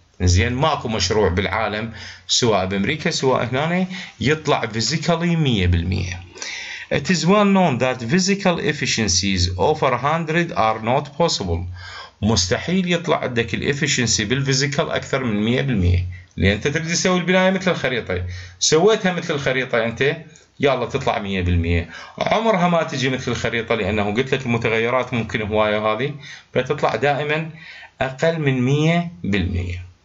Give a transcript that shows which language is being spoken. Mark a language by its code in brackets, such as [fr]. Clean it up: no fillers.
[ar] زين، ماكو مشروع بالعالم سواء بامريكا سواء هنا يطلع physically 100%. [en] It is well known that physical efficiencies over 100 are not possible. [ar] مستحيل يطلع عندك الافشنسي بالفيزيكال اكثر من 100%، لان انت تريد تسوي البنايه مثل الخريطه، سويتها مثل الخريطه انت يلا تطلع 100%، عمرها ما تجي مثل الخريطه، لانه قلت لك المتغيرات ممكن هوايه، هذه فتطلع دائما اقل من 100%.